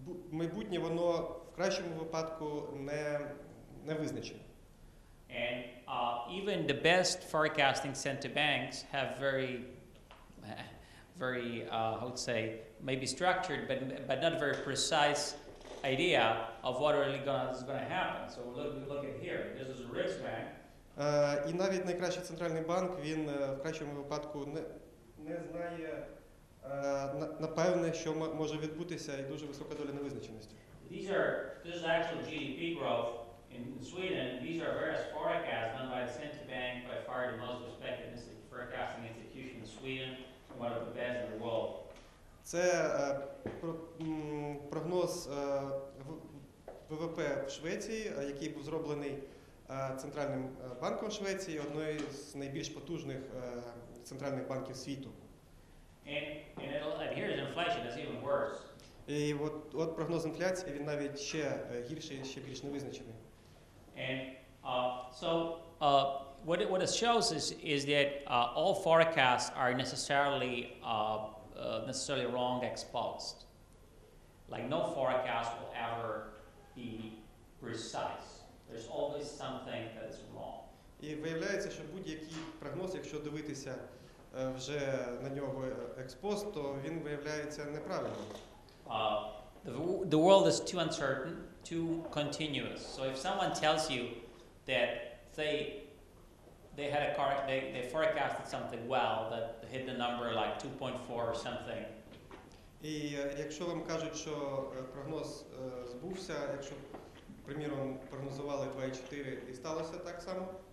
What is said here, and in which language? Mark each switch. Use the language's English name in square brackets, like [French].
[Ukrainian] Майбутнє, воно в кращому випадку не визначено. [English] And even the best forecasting center banks have very structured, but not very precise idea of what really is going to happen. So look at here. This is a risk bank. [Ukrainian] І навіть найкращий центральний банк, він в кращому випадку не знає напевне, що може відбутися, і дуже висока доля невизначеності. [English] This is actual GDP growth in Sweden. These are various forecasts done by the central bank, by far the most respected forecasting institution in Sweden, one of the best in the world. [Ukrainian] Це прогноз ВВП в Швеції, який був зроблений Центральним банком Швеції, одної з найбільш потужних центральних банків світу. [English] And here is inflation, that's even worse. [Ukrainian] І от прогноз інфляції, він навіть ще гірший, ще більш невизначений. [English] And what it shows is that all forecasts are necessarily wrong ex post. Like no forecast will ever be precise. There's always something that is wrong. [Ukrainian] І виявляється, що будь-який прогноз, якщо дивитися вже на нього ex post, то він виявляється неправильним. [English] The world is too uncertain, too continuous. So if someone tells you that they forecasted something well, that hit the number like 2.4 or something. [Ukrainian] І якщо вам кажуть, що прогноз збувся, якщо, приміром, прогнозували 2.4 і сталося так само.